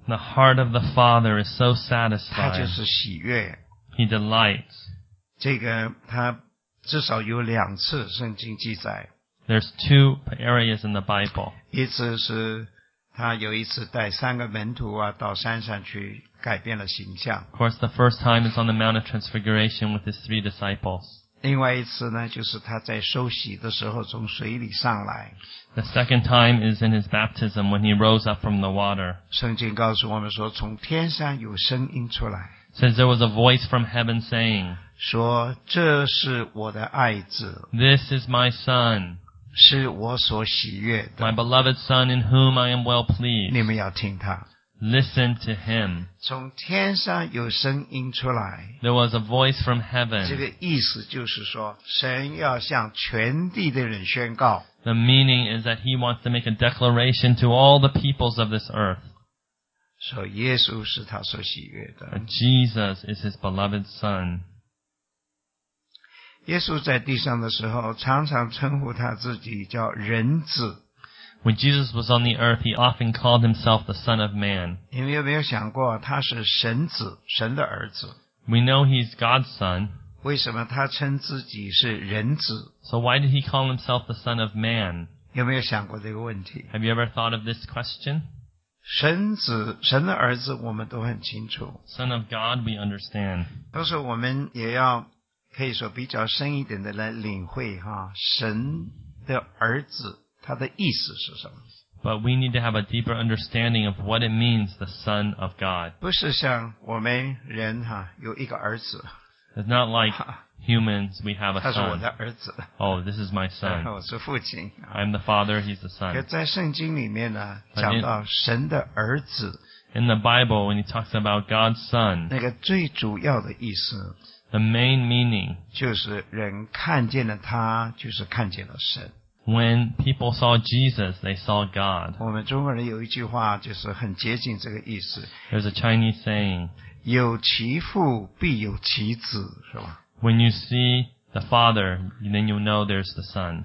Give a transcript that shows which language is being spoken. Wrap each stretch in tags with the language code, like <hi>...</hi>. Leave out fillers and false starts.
<en>The heart of the Father is so satisfied.</en> <zh>他就是喜悦。</zh> <en>He delights.</en> <zh>这个他至少有两次圣经记载。</zh> <en>There's two areas in the Bible.</en> <zh>一次是他有一次带三个门徒啊到山上去改变了形象。</zh> <en>Of course, the first time is on the Mount of Transfiguration with his three disciples.</en> <zh>另外一次呢，就是他在受洗的时候从水里上来。</zh> <en>The second time is in his baptism when he rose up from the water.</en> <zh>圣经告诉我们说，从天上有声音出来。</zh> <en>Says there was a voice from heaven saying,</en> <zh>说这是我的爱子。</zh> <en>This is my son.</en> <zh>是我所喜悦的。</zh> <en>My beloved son in whom I am well pleased.</en> <zh>你们要听他。</zh> <en>Listen to him.</en> <zh>从天上有声音出来。</zh> <en>There was a voice from heaven.</en> <zh>这个意思就是说，神要向全地的人宣告。</zh> <en>The meaning is that he wants to make a declaration to all the peoples of this earth.</en> <zh>说耶稣是他所喜悦的。</zh> <en>Jesus is his beloved son.</en> <zh>耶稣在地上的时候，常常称呼他自己叫人子。</zh> <en>When Jesus was on the earth, he often called himself the Son of Man.</en> <zh>你们有没有想过他是神子，神的儿子。</zh> <en>We know he's God's son.</en> <zh>为什么他称自己是人子。</zh> <en>So why did he call himself the Son of Man?</en> <zh>有没有想过这个问题。</zh> <en>Have you ever thought of this question?</en> <zh>神子，神的儿子我们都很清楚。</zh> <en>Son of God, we understand.</en> <zh>但是我们也要可以说比较深一点的来领会哈，神的儿子。他的意思是什么</zh> <en>？But we need to have a deeper understanding of what it means, the Son of God.</en> <zh>不是像我们人哈有一个儿子。</zh> <en>It's not like humans. We have a son.</en> <zh>他是我的儿子。</zh> <en>Oh, this is my son.</en> <zh>我是父亲。</zh> <en>I'm the father. He's the son.</en> <zh>在圣经里面呢，讲到神的儿子。</zh> <en>In the Bible, when he talks about God's son,</en> <zh>那个最主要的意思。</zh> <en>The main meaning</en> <zh>就是人看见了他，就是看见了神。</zh> <en>When people saw Jesus, they saw God.</en> <zh>我们中国人有一句话就是很接近这个意思。</zh> <en>There's a Chinese saying,</en> <zh>有其父必有其子，是吧？</zh> <en>When you see the Father, then you know there's the Son.</en>